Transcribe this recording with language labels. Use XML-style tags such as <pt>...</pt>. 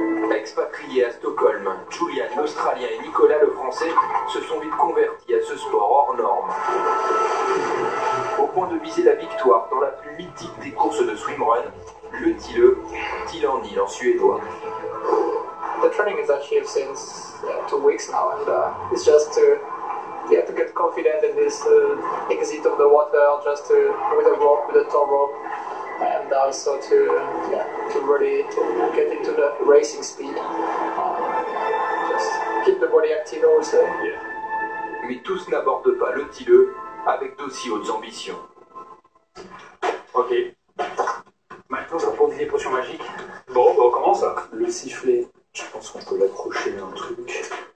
<fr>Expatriés à Stockholm, Julian, l'Australien, et Nicolas, le Français, se sont vite convertis à ce sport hors norme. Au point de viser la victoire dans la plus mythique des courses de swimrun, le Tille, Tillandil en suédois.</fr> <en>The training is actually since 2 weeks now, and it's just to get confident in this exit of the water, just to with a rope, with a tall rope. And also to get into the racing speed. Just keep the body active also.</en> <fr>Mais tous n'abordent pas le Tilleux avec d'aussi hautes ambitions. Ok. Maintenant, ça prend des potions magiques. Bon, on commence. Le sifflet. Je pense qu'on peut l'accrocher à un truc.</fr>